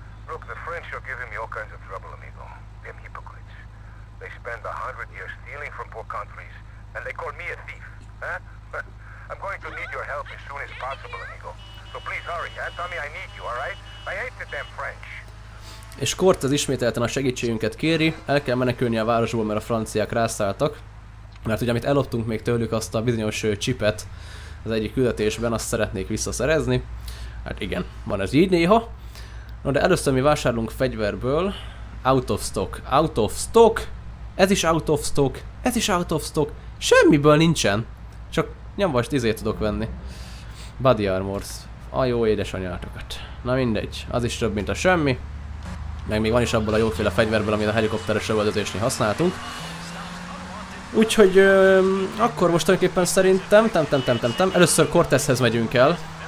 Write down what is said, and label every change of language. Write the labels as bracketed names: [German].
[English] Look, the French are giving me all kinds of trouble, amigo. Them hypocrites. They spend 100 years stealing from poor countries, and they call me a thief, huh? I'm going to need your help as soon as possible, amigo. So please hurry, huh? Tommy, I need you, alright? I hate the damn French. [Hungarian] És Cortez ismételten a segítségünket kéri, el kell menekülni a városból, mert a franciák rászálltak. Mert ugye amit eloptunk még tőlük, azt a bizonyos chipet az egyik küldetésben, azt szeretnék visszaszerezni. Hát igen, van ez így néha. No, de először mi vásárolunk fegyverből. [English] Out of stock, out of stock. [Hungarian] Ez is [English] out of stock, [Hungarian] ez is [English] out of stock. [Hungarian] Semmiből nincsen. Csak nyomvas tizét tudok venni. Body armors. A jó édesanyátokat. Na mindegy, az is több mint a semmi. Meg még van is abból a jóféle fegyverből, amit a helikopteres lövöldözésnél használtunk. Úgyhogy akkor most tulajdonképpen szerintem, először Cortezhez megyünk el.